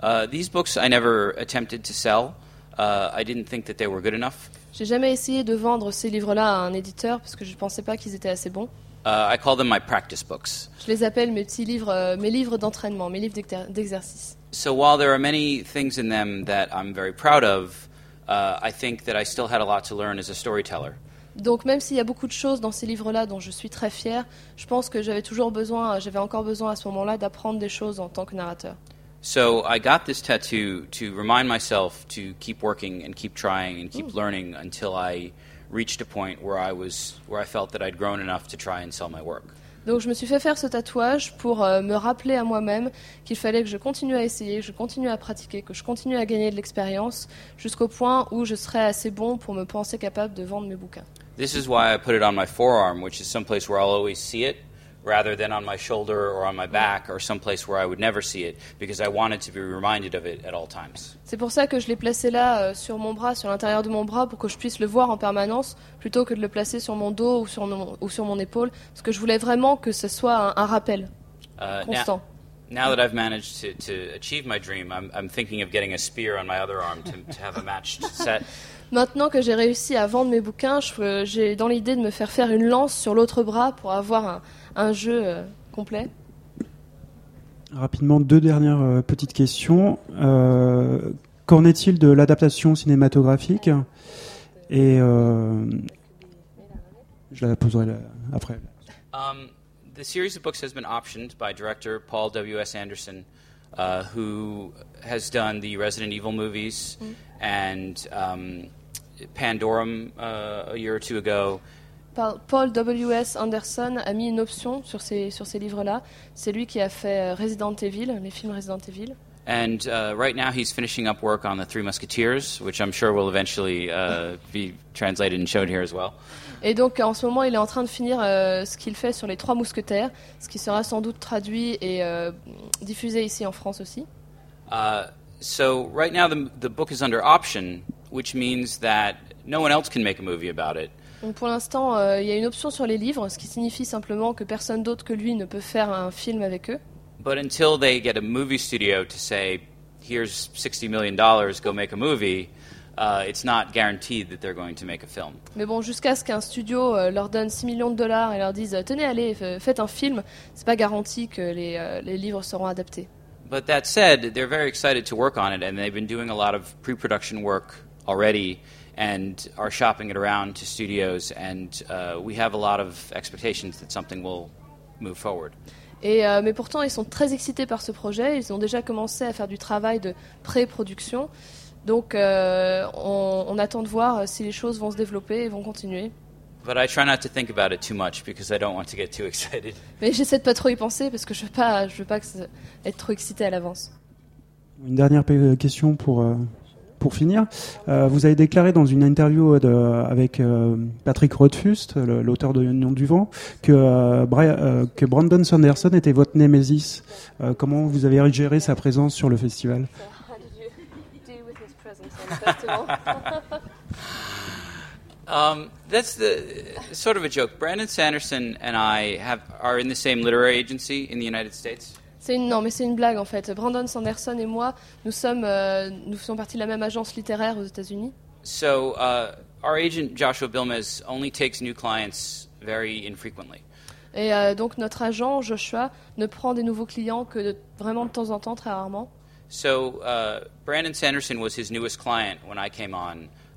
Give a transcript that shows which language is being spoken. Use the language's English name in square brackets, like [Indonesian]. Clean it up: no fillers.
[English] These books I never attempted to sell. I didn't think that they were good enough. [French] J'ai jamais essayé de vendre ces livres-là à un éditeur parce que je pensais pas qu'ils étaient assez bons. [English] I call them my practice books. [French] Je les appelle mes petits livres, mes livres d'entraînement, mes livres d'exercice. [English] So while there are many things in them that I'm very proud of, I think that I still had a lot to learn as a storyteller. [French] Donc même s'il y a beaucoup de choses dans ces livres-là dont je suis très fière, je pense que j'avais encore besoin à ce moment-là d'apprendre des choses en tant que narrateur. [English] So I got this tattoo to remind myself to keep working and keep trying and keep learning until I reached a point where I felt that I'd grown enough to try and sell my work. [French] Donc je me suis fait faire ce tatouage pour me rappeler à moi-même qu'il fallait que je continue à essayer, que je continue à pratiquer, que je continue à gagner de l'expérience jusqu'au point où je serais assez bon pour me penser capable de vendre mes bouquins. [English] This is why I put it on my forearm, which is some place where I'll always see it, rather than on my shoulder or on my back or some place where I would never see it, because I wanted to be reminded of it at all times. [French] C'est pour ça que je l'ai placé là sur mon bras, sur l'intérieur de mon bras, pour que je puisse le voir en permanence, plutôt que de le placer sur mon dos ou sur mon épaule, parce que je voulais vraiment que ce soit un rappel constant. [English] Now that I've managed to achieve my dream, I'm thinking of getting a spear on my other arm to have a matched set. [French] Maintenant que j'ai réussi à vendre mes bouquins, j'ai dans l'idée de me faire faire une lance sur l'autre bras pour avoir un jeu complet. Rapidement, deux dernières petites questions. Qu'en est-il de l'adaptation cinématographique? Et je la poserai après. [English] The series of books has been optioned by director Paul W.S. Anderson, who has done the Resident Evil movies and Pandorum a year or two ago. [French] Paul W.S. Anderson a mis une option sur ces livres-là. C'est lui qui a fait Resident Evil, les films Resident Evil. [English] And right now he's finishing up work on The Three Musketeers, which I'm sure will eventually be translated and shown here as well. [French] Et donc en ce moment il est en train de finir ce qu'il fait sur les Trois Mousquetaires, ce qui sera sans doute traduit et diffusé ici en France aussi. [English] So right now the book is under option, which means that no one else can make a movie about it. [French] Donc pour l'instant, il y a une option sur les livres, ce qui signifie simplement que personne d'autre que lui ne peut faire un film avec eux. [English] But until they get a movie studio to say, here's $60 million, go make a movie, it's not guaranteed that they're going to make a film. [French] Mais bon, jusqu'à ce qu'un studio leur donne $6 million et leur dise, tenez, allez, faites un film, c'est pas garanti que les livres seront adaptés. [English] But that said, they're very excited to work on it, and they've been doing a lot of pre-production work already, and are shopping it around to studios, and we have a lot of expectations that something will move forward. [French] Mais pourtant, ils sont très excités par ce projet. Ils ont déjà commencé à faire du travail de pré-production. Donc, on attend de voir si les choses vont se développer et vont continuer. [English] But I try not to think about it too much because I don't want to get too excited. [French] Mais j'essaie de pas trop y penser parce que je veux pas être trop excité à l'avance. Une dernière question pour finir. Vous avez déclaré dans une interview avec Patrick Rothfuss, l'auteur de Nom du Vent, que Brandon Sanderson était votre némésis. Comment vous avez géré sa présence sur le festival? [English] That's the sort of a joke. Brandon Sanderson and I are in the same literary agency in the United States. [French] C'est une blague en fait. Brandon Sanderson et moi, nous faisons partie de la même agence littéraire aux États-Unis. [English] So our agent Joshua Bilmes only takes new clients very infrequently. [French] Et donc notre agent Joshua ne prend des nouveaux clients que vraiment de temps en temps, très rarement. [English] So Brandon Sanderson was his newest client when I came on.